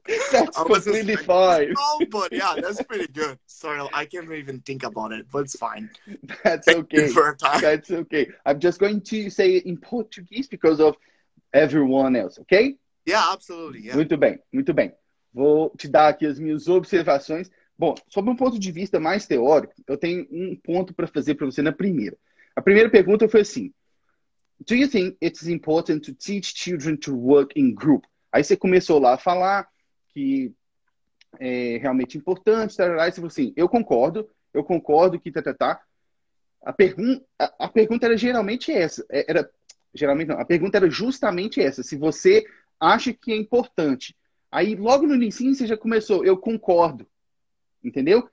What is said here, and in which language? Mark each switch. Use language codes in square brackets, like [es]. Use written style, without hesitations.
[en] That's completely fine. Oh, but yeah, that's pretty good. Sorry, I can't even think about it, but it's fine. That's okay. I'm just going to say it in Portuguese because of everyone else, okay? Yeah, absolutely. Yeah. [pt] Muito bem. Vou te dar aqui as minhas observações. Bom, sob um ponto de vista mais teórico, eu tenho um ponto para fazer para você na primeira. A primeira pergunta foi assim. [en] Do you think it's important to teach children to work in group? [pt] Aí você começou lá a falar que é realmente importante, tarará, e você falou assim, eu concordo que tá. A pergunta era geralmente essa. Era geralmente não, a pergunta era justamente essa. Se você acha que é importante. Aí logo no início você já começou, eu concordo. Entendeu?